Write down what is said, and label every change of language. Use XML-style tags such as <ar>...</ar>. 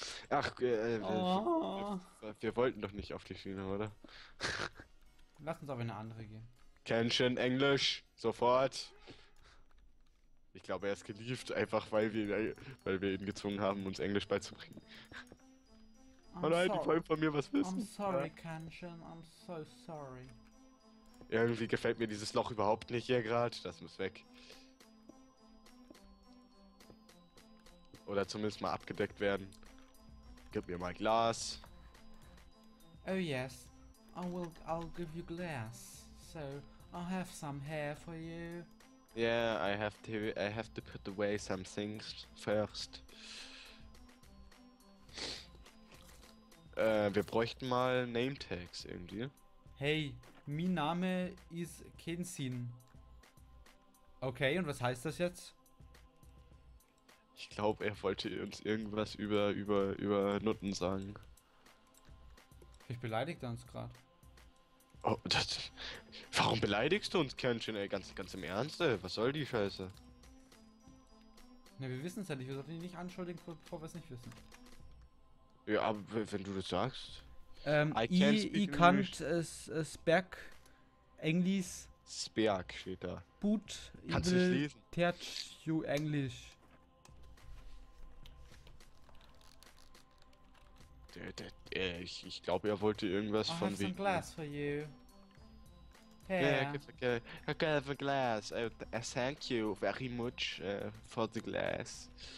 <de>Ach, wir wollten doch nicht auf die Schiene, oder? Lass uns auf eine andere gehen. Kenshin, Englisch, sofort. Ich glaube, er ist geliebt, einfach weil wir ihn gezwungen haben, uns Englisch beizubringen. Oh nein, die wollen von mir was wissen.</de> <en>I'm sorry, Kenshin, I'm so sorry.</en> <de>Irgendwie gefällt mir dieses Loch überhaupt nicht hier gerade, das muss weg. Oder zumindest mal abgedeckt werden. Gib mir mal Glas.</de> <en>Oh yes, I'll give you glass. So, I'll have some hair for you. Yeah, I have to put away some things first.</en> <de>Wir bräuchten mal Name Tags irgendwie. Hey, mein Name ist Kenshin. Okay, und was heißt das jetzt? Ich glaube, er wollte uns irgendwas über Nutten sagen. Ich beleidigte uns gerade. Oh, das. Warum beleidigst du uns, Kenshin, ey? Ganz im Ernst, ey? Was soll die Scheiße? Na, wir wissen es ja nicht. Wir sollten ihn nicht anschuldigen, bevor wir es nicht wissen. Ja, aber wenn du das sagst.</de> <en>I can't speak English.</en> <de>Speak steht da.</de> <en>But</en> <de>kannst du lesen?</de> <en>Teach you English.</en> <de>Ich glaube, er wollte irgendwas von wegen...</de> <en>I'll have some glass for you. Yeah, okay. I'll have a glass. Thank you very much for the glass.</en>